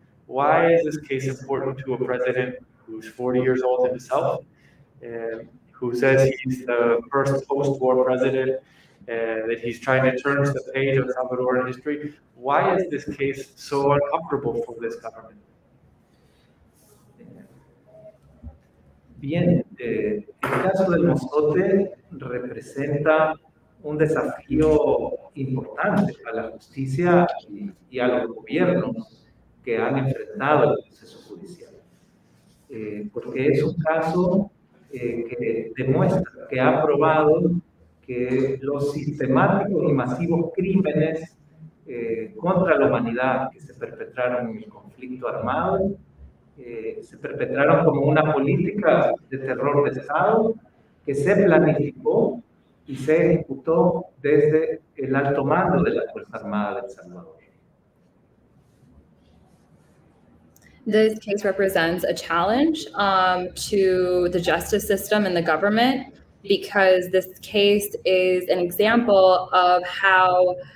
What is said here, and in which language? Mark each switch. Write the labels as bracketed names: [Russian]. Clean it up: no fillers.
[English] Why is this case important to a president who's 40 years old himself, who says he's the first post-war president, that he's trying to turn the page of Salvadoran history? Why is this case so uncomfortable for this government? [Spanish] Bien, el caso del Mozote representa un desafío importante a la justicia y a los gobiernos que han enfrentado el proceso judicial. Porque es un caso que demuestra, que ha probado que los sistemáticos y masivos crímenes contra la humanidad que se perpetraron en el conflicto armado se perpetraron como una política de terror de Estado que se planificó y se ejecutó desde el alto mando de la Fuerza Armada de El Salvador. [English] This case represents a challenge to the justice system and the government because this case is an example of how